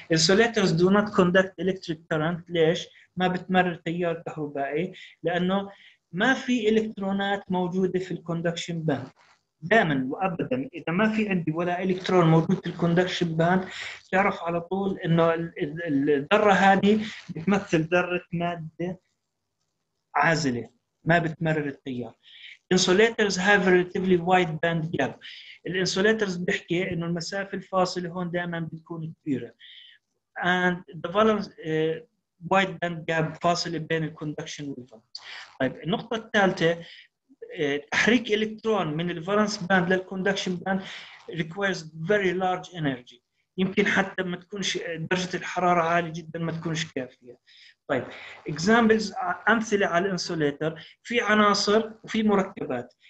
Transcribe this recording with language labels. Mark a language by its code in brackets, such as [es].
[ar] انسوليترز دو نوت كوندكت الكتريك كرنت، ليش؟ ما بتمرر تيار كهربائي، لانه ما في الكترونات موجوده في الكوندكشن باند. دائما وابدا اذا ما في عندي ولا الكترون موجود في الكوندكشن باند، تعرف على طول انه الذره هذه بتمثل ذره ماده عازله، ما بتمرر التيار. [en] Insulators have a relatively wide band gap. [ar] الانسوليترز بيحكي انه المسافه الفاصله هون دائما بتكون كبيره. [en] And the valence wide band gap، [ar] فاصله بين الكوندكشن والفالنس. طيب النقطه الثالثه، تحريك الكترون من الفالنس باند للكوندكشن باند [en] requires very large energy. [ar] يمكن حتى ما تكونش درجه الحراره عاليه جدا، ما تكونش كافيه. طيب examples، امثله على الانسوليتر، في عناصر وفي مركبات.